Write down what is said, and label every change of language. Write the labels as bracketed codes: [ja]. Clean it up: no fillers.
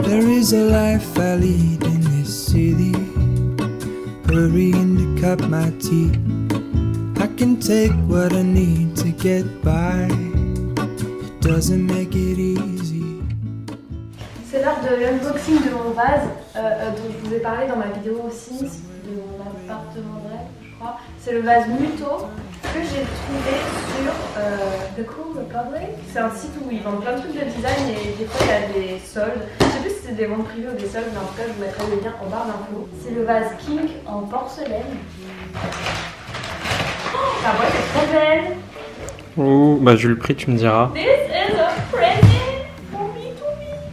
[en] There is a life I lead in this city. Hurrying to cup my tea. I can take what I need to get by. It doesn't make it easy. [fr] C'est l'heure de l'unboxing de mon vase dont je vous ai parlé dans ma vidéo aussi, de mon appartement vrai, je crois. C'est le vase Muto que j'ai trouvé sur The Cool Republic. C'est un site où ils vendent plein de trucs de design et des fois il y a des soldes. C'est des ventes privées ou des soldes, mais en tout cas je vous mettrai le lien en barre d'infos. C'est le vase King en porcelaine. Oh, la boîte est trop belle. Ouh, bah je le prie, tu me diras. [en] This is a present for me to me.